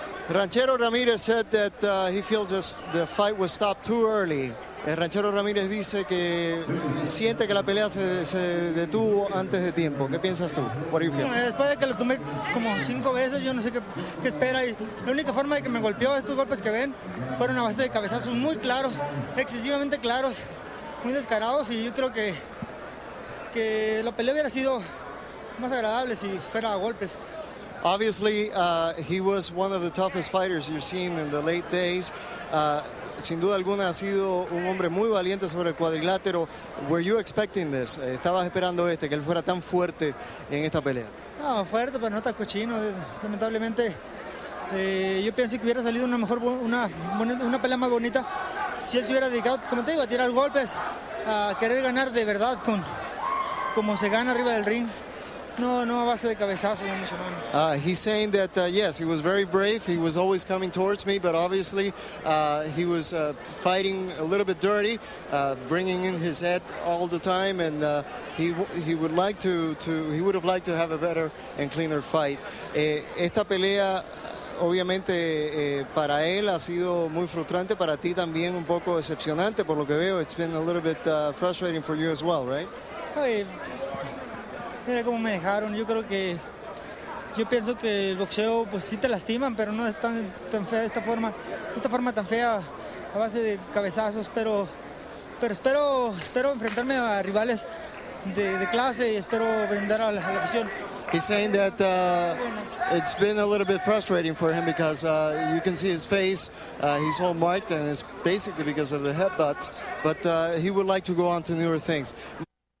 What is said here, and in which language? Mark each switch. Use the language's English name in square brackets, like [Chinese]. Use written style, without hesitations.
[English] Ranchero Ramirez said that he feels the fight was stopped too early. [Spanish] Ranchero Ramirez dice que siente que la pelea se detuvo antes de tiempo. ¿Qué piensas tú? [English] What do you feel? [Spanish] Después de que lo tomé como 5 veces, yo no sé qué espera. Y la única forma de que me golpeó estos golpes que ven fueron a base de cabezazos muy claros, excesivamente claros, muy descarados. Y yo creo que la pelea hubiera sido más agradable si fuera a golpes. [English] Obviously, he was one of the toughest fighters you've seen in the late days. [Spanish] Sin duda alguna ha sido un hombre muy valiente sobre el cuadrilátero. [English] Were you expecting this? [Spanish] ¿Estabas esperando este, que él fuera tan fuerte en esta pelea? No, fuerte, pero no tan cochino. Lamentablemente, yo pienso que hubiera salido una pelea más bonita si él se hubiera dedicado, como te digo, a tirar golpes, a querer ganar de verdad con como se gana arriba del ring. No, a base de cabezazo, no mucho menos. [English] He's saying that, yes, he was very brave. He was always coming towards me, but obviously he was fighting a little bit dirty, bringing in his head all the time, and he would have liked to have a better and cleaner fight. [Spanish] Esta pelea, obviamente, para él ha sido muy frustrante, para ti también un poco decepcionante, por lo que veo. [English] It's been a little bit frustrating for you as well, right? [Spanish] Mira cómo me dejaron. Yo pienso que el boxeo, pues sí te lastiman, pero no es tan fea de esta forma. Esta forma tan fea a base de cabezazos, pero espero enfrentarme a rivales de clase y espero brindar a la afición. [English] He's saying that it's been a little bit frustrating for him because you can see his face, he's all marked, and it's basically because of the headbutts. But he would like to go on to newer things.